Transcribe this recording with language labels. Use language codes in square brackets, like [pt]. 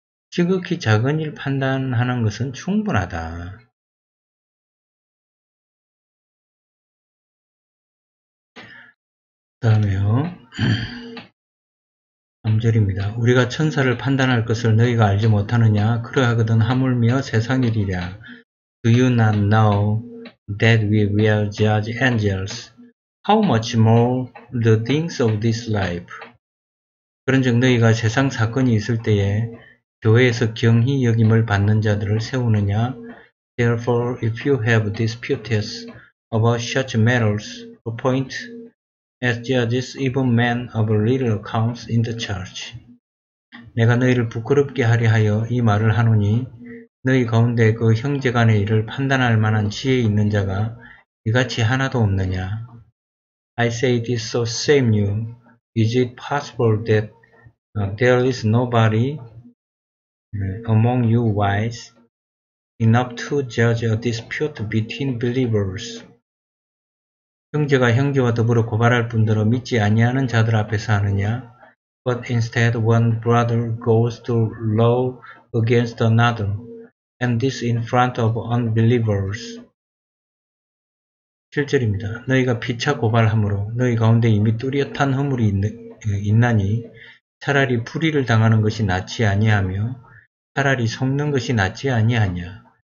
[ko] 지극히 작은 일 판단하는 것은 충분하다. 다음에요. 3절입니다. 우리가 천사를 판단할 것을 너희가 알지 못하느냐? 그러하거든 하물며 세상 일이랴. [en] Do you not know that we will judge angels? How much more the things of this life? [ko] 그런즉 너희가 세상 사건이 있을 때에 교회에서 경히 여김을 받는 자들을 세우느냐? [en] Therefore, if you have disputes about such matters, appoint as judges even men of little accounts in the church. [ko] 내가 너희를 부끄럽게 하려 하여 이 말을 하노니 너희 가운데 그 형제 간의 일을 판단할 만한 지혜 있는 자가 이같이 하나도 없느냐? [en] I say this so shame you. Is it possible that there is nobody among you wise enough to judge a dispute between believers? [ko] 형제가 형제와 더불어 고발할 뿐더러 믿지 아니하는 자들 앞에서 하느냐? [en] But instead one brother goes to law against another, and this in front of unbelievers. [ko] 7절입니다. 너희가 피차 고발하므로 너희 가운데 이미 뚜렷한 허물이 있나니 차라리 불의를 당하는 것이 낫지 아니하며 차라리 속는 것이 낫지 아니하냐?